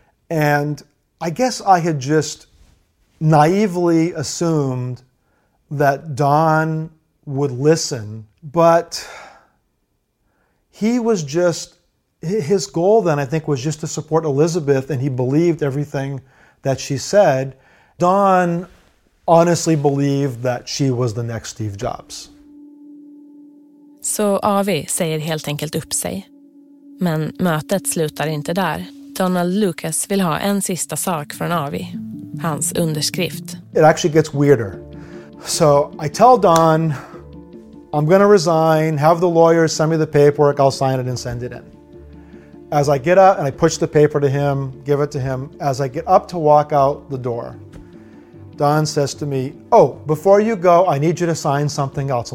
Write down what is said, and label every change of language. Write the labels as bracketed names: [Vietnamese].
[English] And I guess I had just naively assumed that Don would listen, but he was just, his goal then, I think, was just to support Elizabeth, and he believed everything that she said. Don honestly believed that she was the next Steve Jobs. [Swedish] Så AV säger helt enkelt upp sig. Men mötet slutar inte där. Donald Lucas vill ha en sista sak från AV. Hans underskrift. [English] It actually gets weirder. So I tell Don, I'm going to resign. Have the lawyers send me the paperwork. I'll sign it and send it in. As I get out and I push the paper to him, give it to him. As I get up to walk out the door, Don says to me, oh, before you go, I need you to sign something else.